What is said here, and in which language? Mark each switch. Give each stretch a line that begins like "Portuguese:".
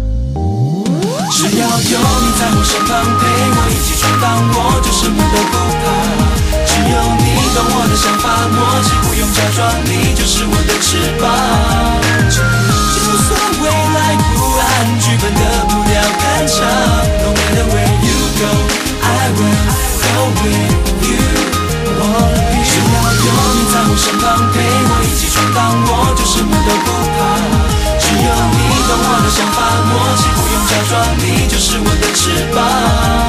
Chinese: 只要有你在我身旁陪我一起闯荡，我就什么都不怕。只有你懂我的想法，默契不用假装，你就是我的翅膀。就算未来不安，剧本的不了感想。
English: No matter where you go, I will go with you, wanna be。
Chinese: 只要有你在我身旁陪我一起闯荡，我就什么都不怕。只有你懂我的想法，默契不用假装，你就是我的翅膀。